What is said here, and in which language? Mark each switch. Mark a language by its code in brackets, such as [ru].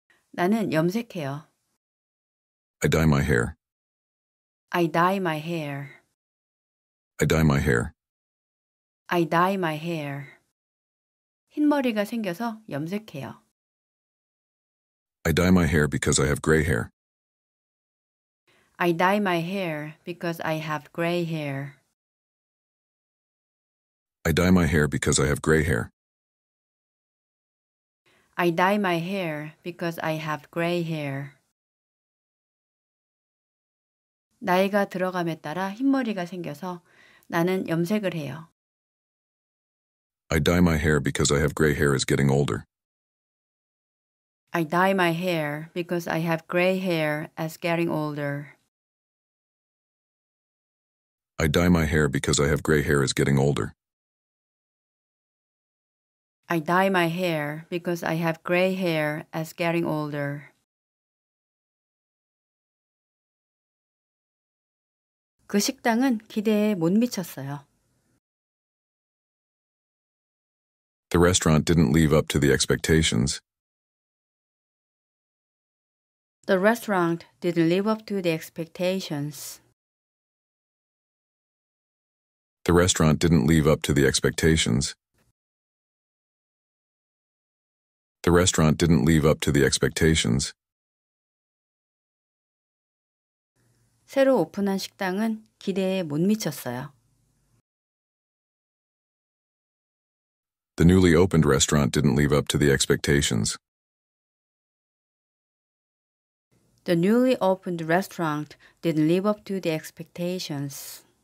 [ko] 나는 염색해요. [en] I dye my hair. I dye my hair. I dye my hair. I dye my hair. [ko] 흰 머리가 생겨서 염색해요. [en] I dye my hair because I have gray hair. I dye my hair because I have gray hair. I dye my hair because I have gray hair. I dye my hair because I have gray hair. [ko] 나이가 들어감에 따라 흰머리가 생겨서 나는 염색을 해요. [en] I dye my hair because I have gray hair as getting older. I dye my hair because I have gray hair as getting older. I dye my hair because I have gray hair as getting older. I dye my hair because I have gray hair as getting older. [ko] 그 식당은 기대에 못 미쳤어요. [en] The restaurant didn't live up to the expectations. The restaurant didn't live up to the expectations. The restaurant didn't live up to the expectations. The restaurant didn't live up to the expectations. [ko] 새로 오픈한 식당은 기대에 못 미쳤어요. [en] The newly opened restaurant didn't live up to the expectations. The newly opened restaurant didn't live up to the expectations.